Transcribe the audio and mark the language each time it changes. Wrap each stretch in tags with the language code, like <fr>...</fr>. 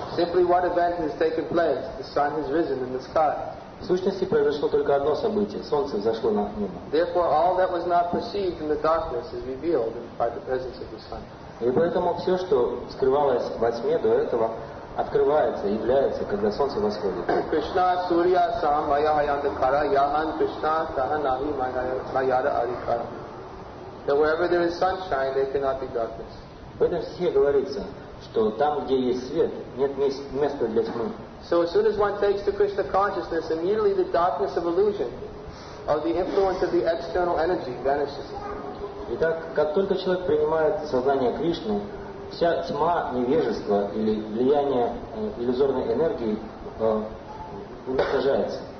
<en>Simply one event has taken place, the sun has risen in the sky.</en> <ru>В сущности произошло только одно событие, солнце взошло на небо.</ru> <en>Therefore, all that was not perceived in the darkness is revealed by the presence of the sun.</en> <ru>И поэтому все, что скрывалось во тьме до этого, открывается, является, когда солнце восходит.</ru> <sa>Кришна Сурья Сам Майяхаяндакара Яхан Кришна Таханахи Майяра Арикара.</sa> <en>That wherever there is sunshine, there cannot be darkness.</en> <ru>В этом стихе говорится, что там, где есть свет, нет места для тьмы.</ru> <en>So as soon as one takes to Krishna consciousness, immediately the darkness of illusion, of the influence of the external energy, vanishes.</en> <ru>Итак, как только человек принимает сознание Кришны, вся тьма невежества или влияние иллюзорной энергии уничтожается.</ru>